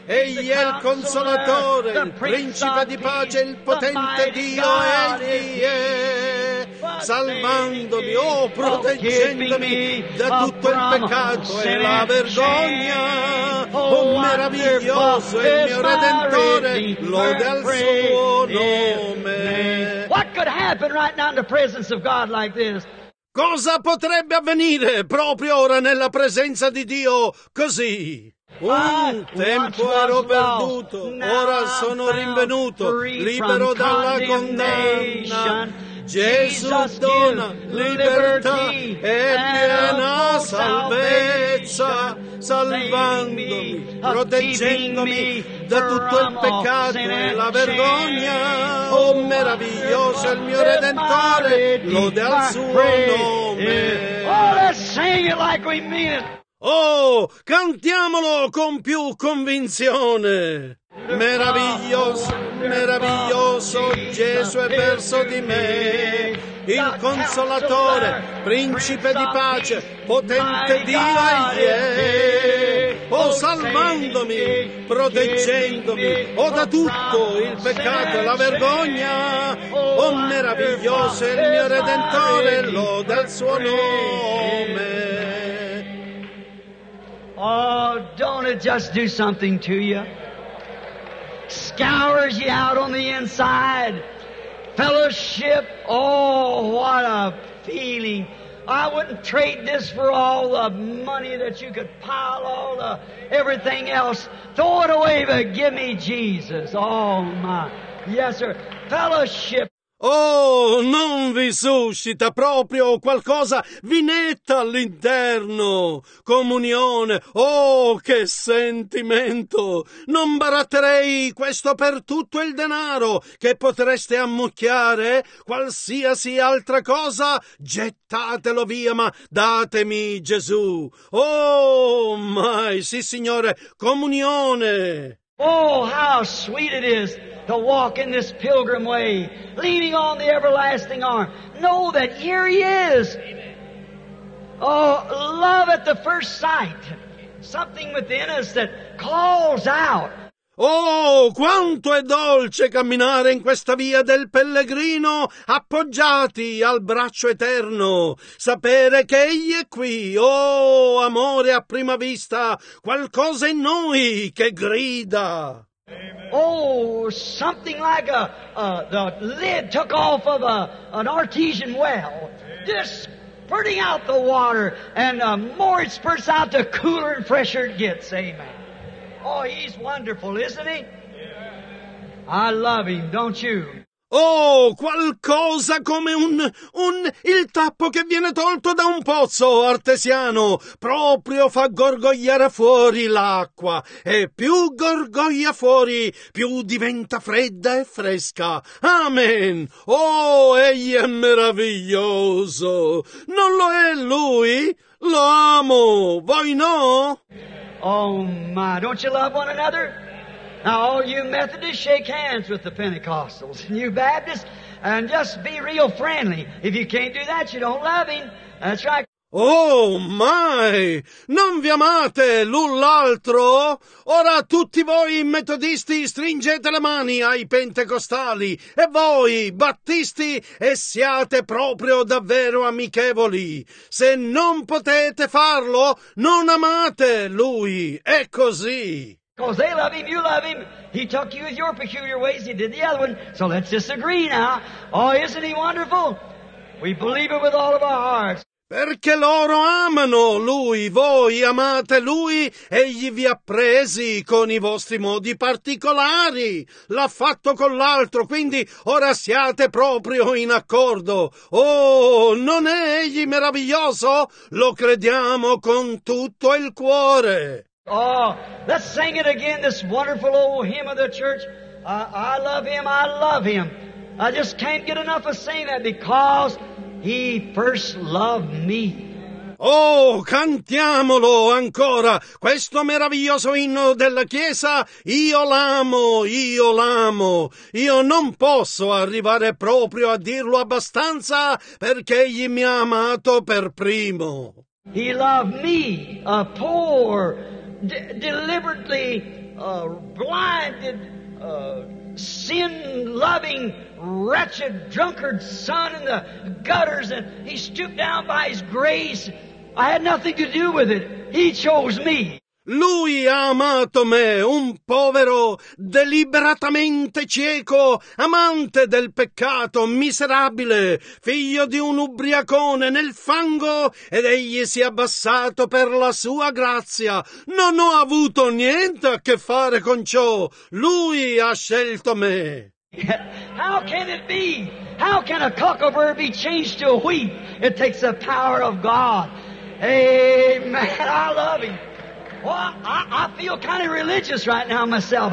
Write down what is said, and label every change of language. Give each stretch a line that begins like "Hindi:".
Italian: Egli è il Consolatore, il Principe di Pace, il Potente Dio, egli è. Salvandomi, oh, proteggendomi da tutto il peccato e la vergogna. Oh, meraviglioso è il mio Redentore, lode al suo nome.
English: What could happen right now in the presence of God like this?
Italian: Cosa potrebbe avvenire proprio ora nella presenza di Dio così? Un tempo ero perduto, ora sono rinvenuto, libero dalla condanna. Gesù dona libertà e piena salvezza, salvandomi, proteggendomi da tutto il peccato e la vergogna. Oh, meraviglioso il mio Redentore, lode al suo nome.
English: Oh, let's sing it like we mean it.
Italian: Oh, cantiamolo con più convinzione. Meraviglioso, meraviglioso, Gesù è verso di me. Il Consolatore, Principe di Pace, potente Dio egli è. Oh, salvandomi, proteggendomi, oh, da tutto il peccato e la vergogna. Oh, meraviglioso è il mio Redentore, lode il suo nome.
English: Oh, don't it just do something to you? Scours you out on the inside. Fellowship, oh, what a feeling. I wouldn't trade this for all the money that you could pile, all the everything else. Throw it away, but give me Jesus. Oh, my. Yes, sir. Fellowship.
Italian: Oh, non vi suscita proprio qualcosa, vi netta all'interno. Comunione, oh, che sentimento! Non baratterei questo per tutto il denaro che potreste ammucchiare. Qualsiasi altra cosa, gettatelo via, ma datemi Gesù. Oh, mai, sì, Signore, comunione!
English: Oh, how sweet it is to walk in this pilgrim way, leaning on the everlasting arm. Know that here he is. Oh, love at the first sight. Something within us that calls out.
Italian: Oh, quanto è dolce camminare in questa via del pellegrino appoggiati al braccio eterno. Sapere che egli è qui. Oh, amore a prima vista. Qualcosa in noi che grida. Amen.
English: Oh, something like the lid took off of an artesian well. Just spurting out the water. And the more it spurts out, the cooler and fresher it gets. Amen. Oh, he's wonderful, isn't he? I love him, don't you?
Italian: Oh, qualcosa come il tappo che viene tolto da un pozzo artesiano. Proprio fa gorgogliare fuori l'acqua. E più gorgoglia fuori, più diventa fredda e fresca. Amen. Oh, egli è meraviglioso. Non lo è lui? Lo amo. Voi no?
English: Oh my, don't you love one another? Now all you Methodists, shake hands with the Pentecostals. And you Baptists, and just be real friendly. If you can't do that, you don't love him. That's right. Oh my,
Italian: non vi amate l'un l'altro? Ora tutti voi metodisti stringete le mani ai pentecostali e voi battisti e siate proprio davvero amichevoli. Se non potete farlo, non amate lui. È così.
English: Because they love him, you love him. He took you with your peculiar ways, he did the other one. So let's disagree now. Oh, isn't he wonderful? We believe it with all of our hearts.
Italian: Perché loro amano Lui, voi amate Lui, egli vi ha presi con i vostri modi particolari, l'ha fatto con l'altro, quindi ora siate proprio in accordo. Oh, non è egli meraviglioso? Lo crediamo con tutto il cuore.
English: Oh, let's sing it again, this wonderful old hymn of the church. I love Him, I love Him. I just can't get enough of saying that because He first loved me.
Italian: Oh, cantiamolo ancora, questo meraviglioso inno della Chiesa. Io l'amo, io l'amo. Io non posso arrivare proprio a dirlo abbastanza perché Egli mi ha amato per primo.
English: He loved me, a poor, deliberately blinded, sin-loving, wretched drunkard son in the gutters, and he stooped down by his grace. I had nothing to do with it. He chose me.
Italian: Lui ha amato me, un povero, deliberatamente cieco, amante del peccato, miserabile, figlio di un ubriacone nel fango, ed egli si è abbassato per la sua grazia. Non ho avuto niente a che fare con ciò. Lui ha scelto me.
English: How can it be? How can a cucklebird be changed to a wheat? It takes the power of God. Amen. I love Him. Well, I feel kind of religious right now myself.